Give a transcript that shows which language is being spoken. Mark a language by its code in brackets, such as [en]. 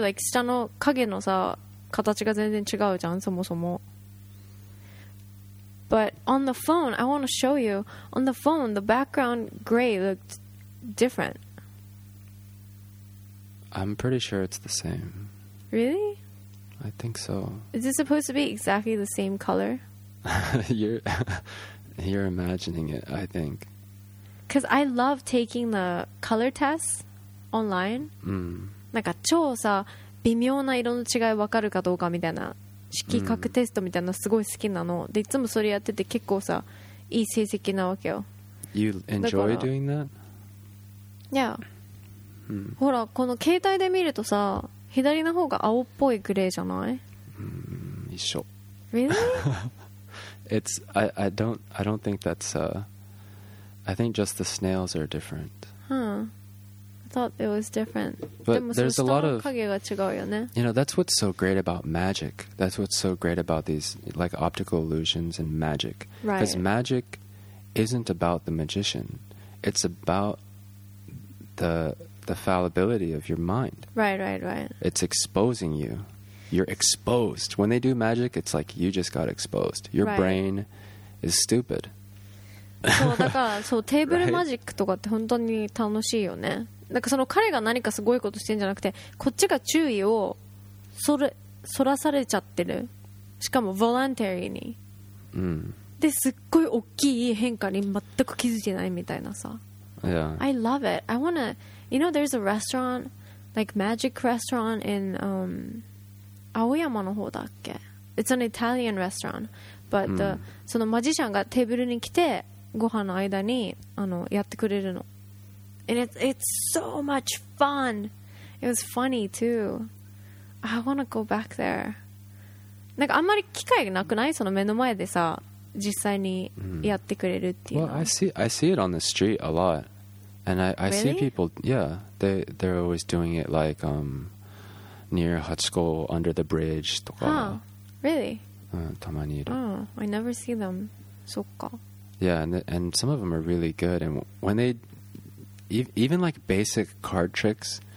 [ja] Like, 下の影のさ、形が全然違うじゃん、そもそも。 [en] But on the phone, I want to show you. On the phone, the background gray looked different. I'm pretty sure it's the same. Really? I think so. Is it supposed to be exactly the same color? you're imagining it, I think. Because I love taking the color tests online. Mm. [ja] なんか超さ微妙な色の違い分かるかどうかみたいな色覚テストみたいなすごい好きなの、mm. でいつもそれやってて結構さいい成績なわけよ。 [en] You enjoy doing that? Yeah、 mm. [ja] ほらこの携帯で見るとさ左の方が青っぽいグレーじゃない、 mm, 一緒。 [en] Really? It's, I don't think that's I think just the snails are different. Huh. I thought it was different. But there's a lot of... You know, that's what's so great about magic. That's what's so great about these, like, optical illusions and magic. Right. Because magic isn't about the magician. It's about the fallibility of your mind. Right, right, right. It's exposing you. You're exposed. When they do magic, it's like you just got exposed. Your right. brain is stupid. [ja] そうだからそうテーブルマジックとかって本当に楽しいよね。なんかその彼が何かすごいことしてんじゃなくてこっちが注意をそらされちゃってる。しかもボランタリーに、うん、ですっごい大きい変化に全く気づいてないみたいなさ、 yeah. [en] I love it. I wanna you know there's a restaurant like magic restaurant in [ja] 青山の方だっけ。 [en] It's an Italian restaurant but the、 [ja] うん、そのマジシャンがテーブルに来てご飯の間にあのやってくれるの。 [en] And it's so much fun. It was funny too. I wanna go back there. [ja] なんかあんまり機会なくない？その目の前でさ実際にやってくれるっていうの。 [en] Well, I see it on the street a lot. And I really? See people, yeah, they're always doing it like near Hachiko under the bridge とか。 Huh, really? [ja] たまにいる。 [en] Oh, I never see them. [ja] そっか。 [en] Yeah, and some of them are really good. And when they, even like basic card tricks,